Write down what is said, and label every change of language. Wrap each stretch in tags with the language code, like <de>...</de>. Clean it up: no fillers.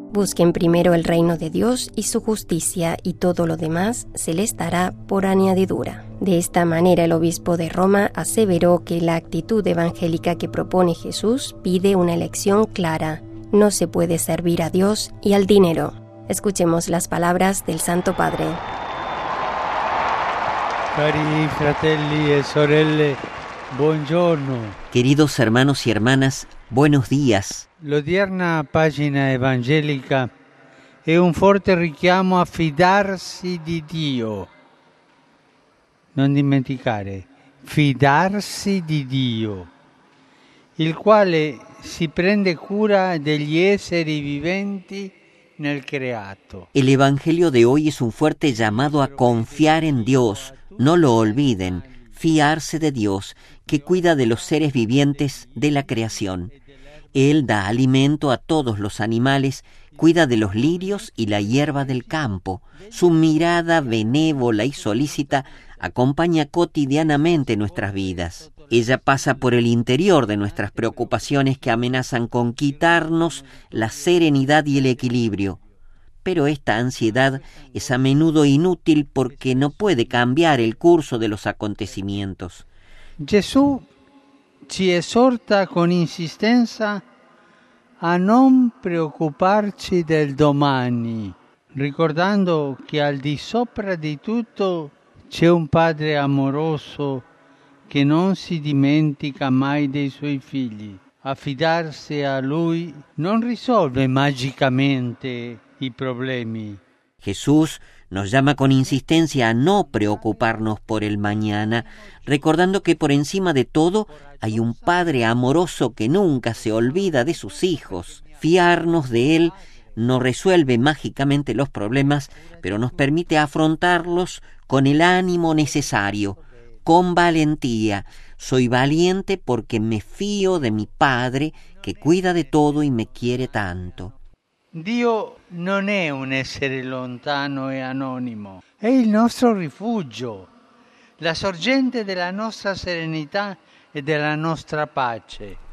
<es>Busquen primero el reino de Dios y su justicia, y todo lo demás se les dará por añadidura. De esta manera, el obispo de Roma aseveró que la actitud evangélica que propone Jesús pide una elección clara: no se puede servir a Dios y al dinero. Escuchemos las palabras del Santo Padre.</es> <it>Cari fratelli e sorelle, buongiorno.</it> <es>Queridos hermanos y hermanas, buenos días.</es> <it>L'odierna pagina evangelica è un forte richiamo a fidarsi di Dio. Non dimenticare, fidarsi di Dio, il quale si prende cura degli esseri viventi nel creato.</it> <es>El Evangelio de hoy es un fuerte llamado a confiar en Dios, no lo olviden, fiarse de Dios, que cuida de los seres vivientes de la creación. Él da alimento a todos los animales, cuida de los lirios y la hierba del campo. Su mirada benévola y solícita acompaña cotidianamente nuestras vidas. Ella pasa por el interior de nuestras preocupaciones que amenazan con quitarnos la serenidad y el equilibrio. Pero esta ansiedad es a menudo inútil porque no puede cambiar el curso de los acontecimientos.</es> <it>Jesús ci esorta con insistenza a non preoccuparci del domani, ricordando che al di sopra di tutto c'è un padre amoroso che non si dimentica mai dei suoi figli. Affidarsi a lui non risolve magicamente i problemi.</it> <es>Jesús nos llama con insistencia a no preocuparnos por el mañana, recordando que por encima de todo hay un Padre amoroso que nunca se olvida de sus hijos. Fiarnos de Él no resuelve mágicamente los problemas, pero nos permite afrontarlos con el ánimo necesario, con valentía. Soy valiente porque me fío de mi Padre que cuida de todo y me quiere tanto.</es> <it>Dio non è un essere lontano e anonimo, è il nostro rifugio, la sorgente della nostra serenità e della nostra pace.</it>